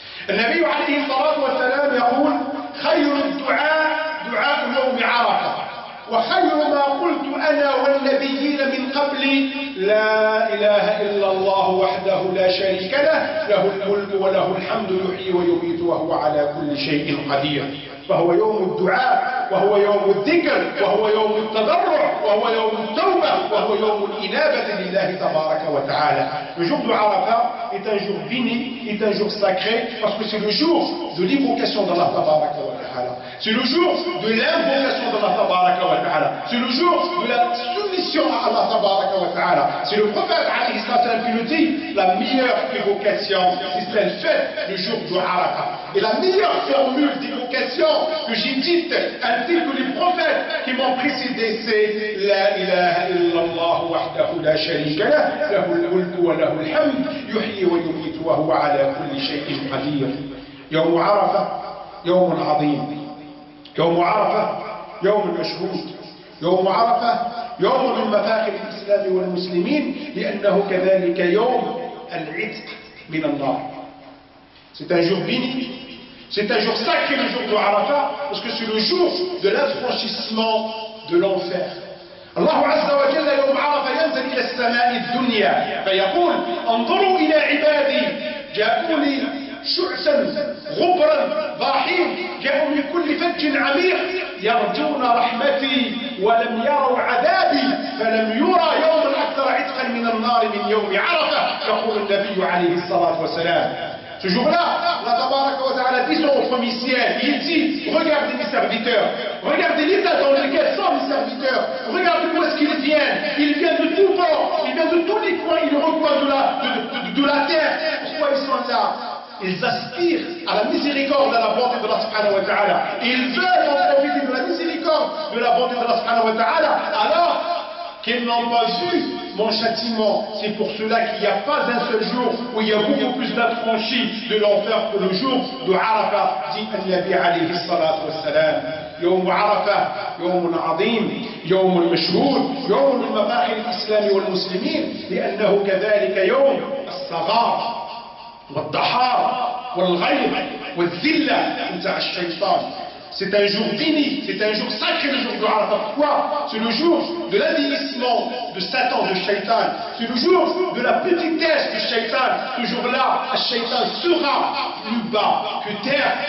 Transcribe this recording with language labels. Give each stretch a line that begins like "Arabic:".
Arabic: النبي عليه الصلاة والسلام يقول خير الدعاء دعاء يوم عرفة وخير ما قلت أنا والنبيين من قبلي لا إله إلا الله وحده لا شريك له له الملك وله الحمد يحيي ويميت وهو على كل شيء قدير. فهو يوم الدعاء وهو يوم الذكر وهو يوم التضرع وهو يوم التوبة وهو يوم الإنابة لله تبارك وتعالى.
French: Le jour de Arafa est un jour béni, est un jour sacré, parce que c'est le jour de l'invocation d'Allah tabaraka wa ta'ala. C'est le jour de l'invocation d'Allah tabaraka wa ta'ala. C'est le jour de la soumission à Allah tabaraka wa ta'ala. C'est le prophète alayhi salatu wa sallam dit, la meilleure évocation, c'est celle faite le jour du Arafa. Et la meilleure formule d'évocation que j'ai dite, ainsi que les prophètes qui m'ont précédé, c'est «
Arabic: La ilaha illallah wahdahu la sharika lah, lahu al-mulk wa lahu al-hamd, yuhyi wa yumit wa huwa ala kulli shay'in qadir. » يوم عرفة يوم عظيم، يوم عرفة يوم مشهور، يوم عرفة يوم من مفاخر الإسلام والمسلمين، لأنه كذلك يوم العتق من النار.
French: C'est un jour béni, c'est un jour sacré le jour de عرفة, parce que c'est le jour de l'affranchissement de l'enfer.
Arabic: الله عز وجل يوم عرفة ينزل إلى السماء الدنيا فيقول انظروا إلى عبادي جاءوني شعثا غبرا ضاحيا، جاءوا من كل فج عميق يرجون رحمتي ولم يروا عذابي، فلم يرى يوما اكثر عتقا من النار من يوم عرفه. يقول النبي عليه الصلاه والسلام
French: ce jour-là, Allah tabarak wa ta'ala dit son premier ciel, il dit, regardez mes serviteurs, regardez l'état dans lequel sont mes serviteurs, regardez où est-ce qu'ils viennent, ils viennent de tout bord, ils viennent de tous les coins, ils recouvrent de la terre. Pourquoi ils sont là? Ils aspirent à la miséricorde de la bonté de Allah subhanahu wa ta'ala. Ils veulent en profiter de la miséricorde de la bonté de Allah subhanahu wa ta'ala, alors qu'ils n'ont pas eu mon châtiment. C'est pour cela qu'il n'y a pas un seul jour où il y a beaucoup plus d'affranchis de l'enfer que le jour de Arafa, dit Al-Nabi alayhi salat wa salam.
Arabic: يوم عرفة يوم عظيم يوم مشهور يوم المباحث الإسلام والمسلمين، لأنه كذلك يوم الصغار والضحار والغيب والذلة انتع الشيطان.
French: C'est un jour béni, c'est un jour sacré, le jour de Arafat. Pourquoi? C'est le jour de l'avilissement de Satan, de Shaitan. C'est le jour de la petitesse de Shaitan. Ce jour-là, Shaitan sera plus bas que terre.